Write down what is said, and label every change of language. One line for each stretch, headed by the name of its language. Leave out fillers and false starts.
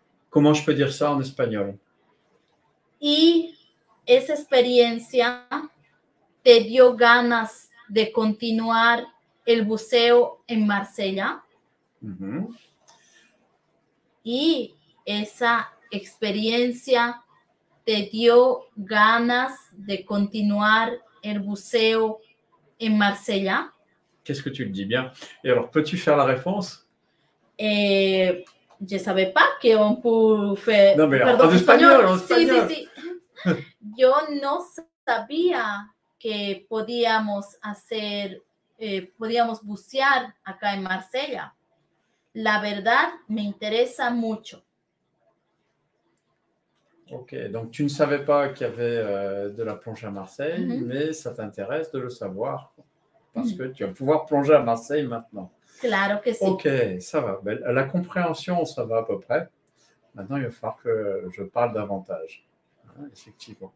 French: Comment je peux dire ça en espagnol?
Spanish: Y esa experiencia te dio ganas de continuar el buceo en Marsella. Y esa experiencia te dio ganas de continuar el buceo en Marsella.
French: Qu'est-ce que tu le dis bien? Et alors, peux-tu faire la réponse? Je ne savais pas qu'on pouvait faire... Non, mais pardon, en espagnol,
Spanish: Sí, sí, sí. Yo no sabía que podíamos hacer, podíamos bucear acá en Marsella. La verdad, me interesa mucho.
French: Ok, donc tu ne savais pas qu'il y avait de la plongée à Marseille, mais ça t'intéresse de le savoir, parce que tu vas pouvoir plonger à Marseille maintenant.
Spanish: Claro que sí.
French: Ok, ça va. Ben, la compréhension, ça va à peu près. Maintenant, il va falloir que je parle davantage. Effectivement.